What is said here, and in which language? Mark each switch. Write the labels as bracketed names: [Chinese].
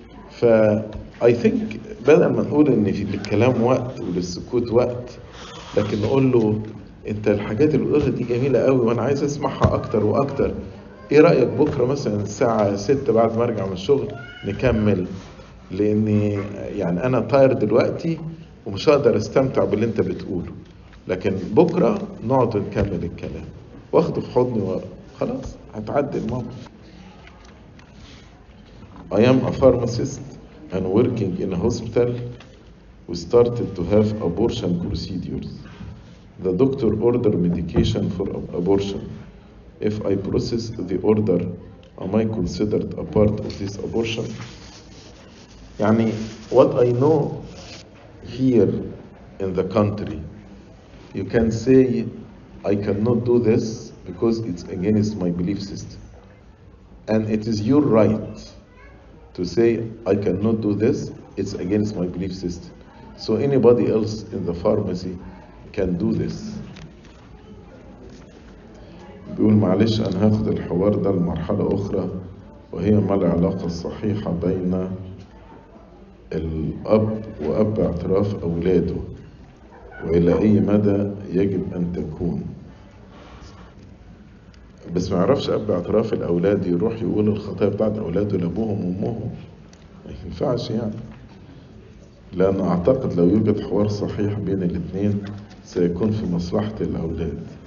[Arabic] ف [English] I think [Arabic] بدل ما نقول إن في للكلام وقت وللسكوت وقت، لكن نقول له أنت الحاجات اللي بتقولها دي جميلة قوي وأنا عايز أسمعها أكتر وأكتر، إيه رأيك بكرة مثلا الساعة 6 بعد ما أرجع من الشغل نكمل؟ لأني يعني أنا طاير دلوقتي ومش هقدر استمتع باللي انت بتقوله، لكن بكرة نقعد نكمل الكلام. واخده في حضني وخلاص هتعدي الموقف. [English] I am a pharmacist and working in a hospital. We started to have abortion procedures. The doctor ordered medication for abortion. If I process the order, am I considered a part of this abortion? يعني what I know here in the country, you can say I cannot do this because it's against my belief system, and it is your right to say I cannot do this, it's against my belief system. So anybody else in the pharmacy can do this. [Arabic] بيقول معلش أنا هاخد الحوار ده لمرحلة أخرى، وهي ما العلاقة الصحيحة بين الأب وأب اعتراف أولاده، وإلى أي مدى يجب أن تكون؟ بس ما عرفش أب اعتراف الأولاد يروح يقول الخطايا بتاعت أولاده لأبوهم وأمهم، ما ينفعش يعني، لأن أعتقد لو يوجد حوار صحيح بين الاثنين سيكون في مصلحة الأولاد.